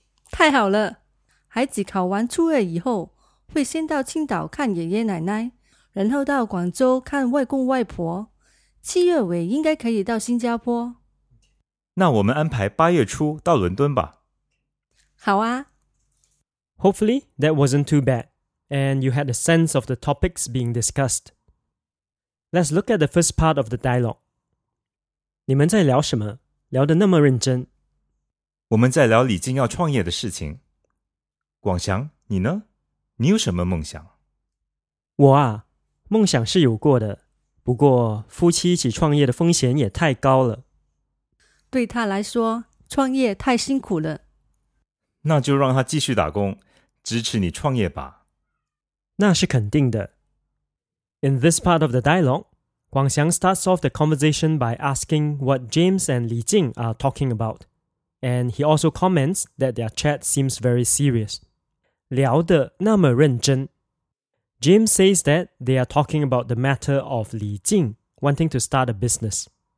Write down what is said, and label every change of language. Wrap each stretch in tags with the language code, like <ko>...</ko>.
<zh>太好了，孩子考完初二以后，会先到青岛看爷爷奶奶，然后到广州看外公外婆，七月尾应该可以到新加坡。那我们安排八月初到伦敦吧。好啊。</zh> <en>Hopefully that wasn't too bad, and you had a sense of the topics being discussed. Let's look at the first part of the dialogue.</en> <zh>你们在聊什么？聊得那么认真。我们在聊李静要创业的事情。广翔，你呢？你有什么梦想？我啊，梦想是有过的，不过夫妻一起创业的风险也太高了。对他来说，创业太辛苦了。那就让他继续打工，支持你创业吧。那是肯定的。</zh> <en>In this part of the dialogue, 广翔 starts off the conversation by asking what James and Li Jing are talking about, and he also comments that their chat seems very serious.</en> <zh>聊得那么认真。</zh> <en>James says that they are talking about the matter of Li Jing wanting to start a business.</en>